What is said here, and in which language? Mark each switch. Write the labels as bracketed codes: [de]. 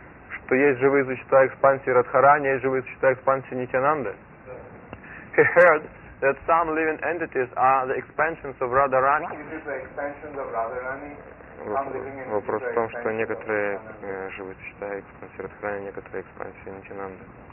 [ru] Что есть живые существа экспансии Радхарани, есть живые существа экспансии Нитянанды? [en] He heard that some living entities are the expansions of Radharani. Is it the expansions of Radharani? [ru] Вопрос в том, что некоторые живые существа экспансии Радхарани, некоторые экспансии Нитянанды.